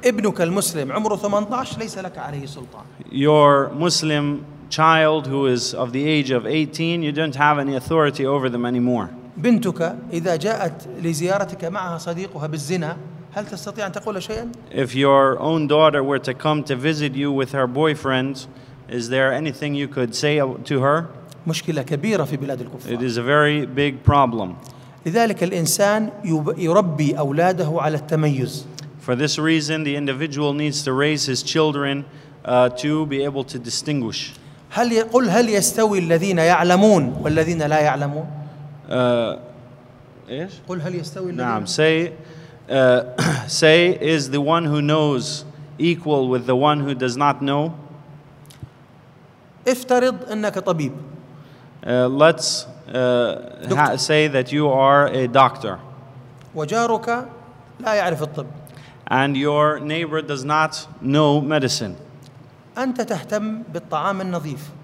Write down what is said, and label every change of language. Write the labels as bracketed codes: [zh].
[ar] ابنك المسلم عمره 18 ليس لك عليه سلطان. [en] Your Muslim child who is of the age of 18, you don't have any authority over them anymore. [ar] بنتك إذا جاءت لزيارتك معها صديقها بالزنا هل تستطيع أن تقول شيئا؟ [en] If your own daughter were to come to visit you with her boyfriend, is there anything you could say to her? [ar] مشكلة كبيرة في بلاد الكفار. [en] It is a very big problem. [ar] لذلك الإنسان يربي أولاده على التميز. [en] For this reason, the individual needs to raise his children to be able to distinguish. [ar] هل يستوي الذين يعلمون والذين لا يعلمون؟ إيش؟ قل هل يستوي الذين؟ نعم. [en] Say, is the one who knows equal with the one who does not know? [ar] افترض أنك طبيب. [en] Let's say that you are a doctor. [ar] وجارك لا يعرف الطب. [en] And your neighbor does not know medicine. [ar] أنت تهتم بالطعام النظيف.